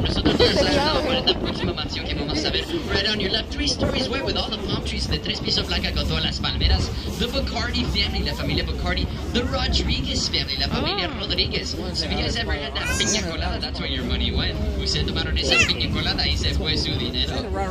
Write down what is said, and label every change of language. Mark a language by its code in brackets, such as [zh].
[es] Nosotros vamos a ver la próxima mansión que vamos a ver. [en] Right on your left, three stories white with all the palm trees. [es] De tres pisos blanca con todas las palmeras. [en] The Bacardi family, [es] la familia Bacardi. [en] The Rodriguez family, [es] la familia Rodriguez. [en] So if you guys ever had that piña colada, that's where your money went. [es] Usted tomaron esa piña colada y se fue su dinero.